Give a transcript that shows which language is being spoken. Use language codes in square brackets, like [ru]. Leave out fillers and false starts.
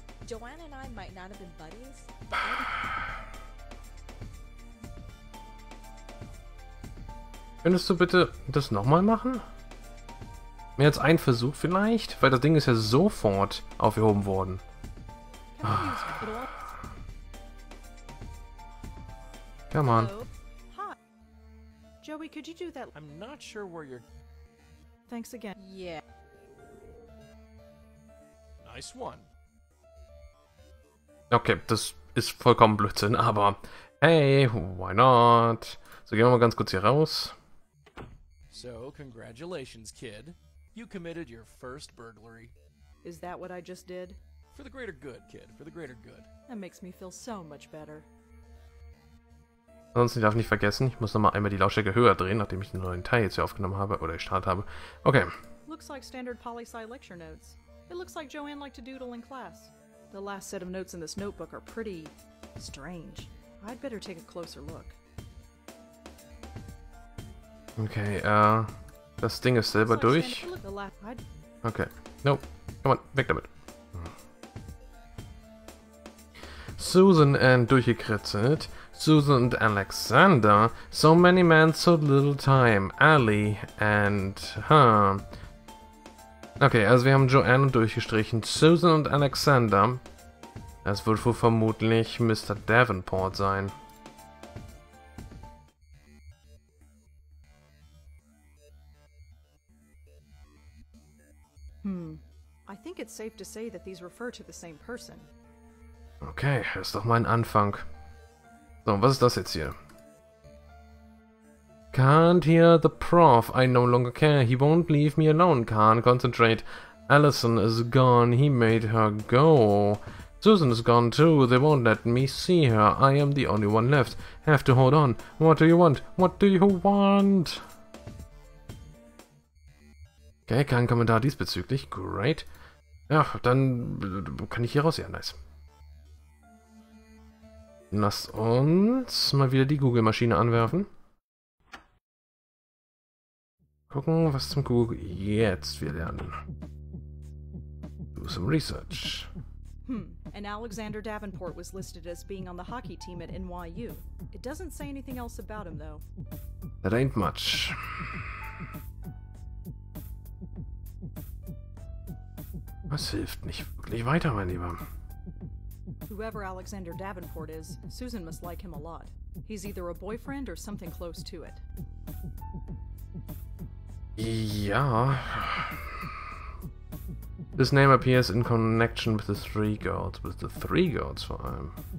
[en] Joanne and I might not have been buddies. [de] Könntest du bitte das nochmal machen? Mehr als ein Versuch vielleicht? Weil das Ding ist ja sofort aufgehoben worden. Ah. [en] Come on. Hello. Hi. Joey, could you do that? I'm not sure where you're... Thanks again. Yeah. Nice one. [de] Okay, das ist vollkommen Blödsinn, aber [en] hey, why not? [de] So, gehen wir mal ganz kurz hier raus. [en] So, congratulations, kid. You committed your first burglary. Is that what I just did? For the greater good, kid. For the greater good. That makes me feel so much better. [de] Ansonsten, ich darf nicht vergessen, ich muss nochmal einmal die Lautstärke höher drehen, nachdem ich den neuen Teil jetzt hier aufgenommen habe oder gestartet habe. Okay. [en] Looks like standard poli-sci lecture notes. It looks like Joanne liked to doodle in class. The last set of notes in this notebook are pretty strange. I'd better take a closer look. [de] Okay, das Ding ist selber durch. Okay. Nope. [en] Come on, [de] weg damit. Susan and durchgekritzelt. [en] Susan and Alexander. So many men, so little time. Ali and her. [de] Okay, also wir haben Joanne durchgestrichen. Susan und Alexander. Das wird wohl vermutlich Mr. Davenport sein. [en] I think it's safe to say that these refer to the same person. [de] Okay, das ist doch mal ein Anfang. So, was ist das jetzt hier? [en] Can't hear the prof. I no longer care. He won't leave me alone. Can't concentrate. Allison is gone. He made her go. Susan is gone too. They won't let me see her. I am the only one left. Have to hold on. What do you want? What do you want? [de] Okay, kein Kommentar diesbezüglich. Great. Ja, dann kann ich hier raus. Ja, nice. Lass uns mal wieder die Google-Maschine anwerfen. Gucken, was zum Google jetzt wir lernen. [en] Do some research. And Alexander Davenport was listed as being on the hockey team at NYU. It doesn't say anything else about him, though. That ain't much. [de] Was hilft nicht wirklich weiter, mein Lieber. [en] Whoever Alexander Davenport is, Susan must like him a lot. He's either a boyfriend or something close to it. [de] Ja. [en] This name appears in connection with the three girls. With the three girls, [de] vor allem.